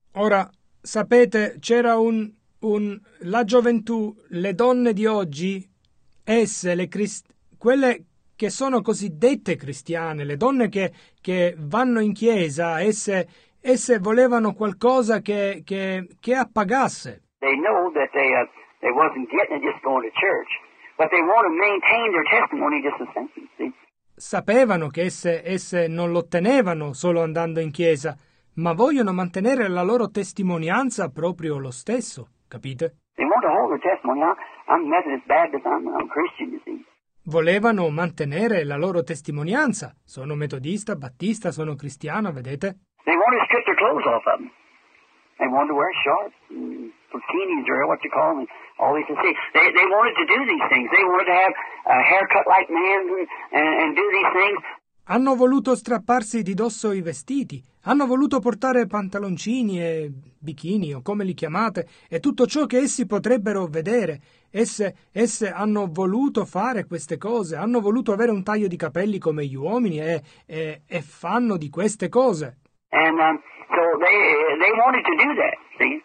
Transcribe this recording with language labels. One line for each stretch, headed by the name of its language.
Italian: Ora sapete, c'era un la gioventù, le donne di oggi, esse, le quelle che sono cosiddette cristiane, le donne che vanno in chiesa, esse volevano qualcosa che appagasse.
English: They know that they wasn't getting it just going to church, but they want to maintain their testimony just the same.
Italian: Sapevano che esse non l'ottenevano solo andando in chiesa, ma vogliono mantenere la loro testimonianza proprio lo stesso, capite?
English: They want to hold their testimony. I'm Methodist Baptist, I'm Christian, you see.
Italian: Volevano mantenere la loro testimonianza. Sono metodista, battista, sono cristiano, vedete?
English: They want to strip their clothes off of them. They want to wear shorts, bikinis, or what you call them, all these things. They wanted to do these things. They wanted to have a haircut like man and do these things.
Italian: Hanno voluto strapparsi di dosso i vestiti. Hanno voluto portare pantaloncini e bikini, o come li chiamate, e tutto ciò che essi potrebbero vedere. Esse hanno voluto fare queste cose, hanno voluto avere un taglio di capelli come gli uomini e fanno di queste cose.
English: And so they wanted to do that, see?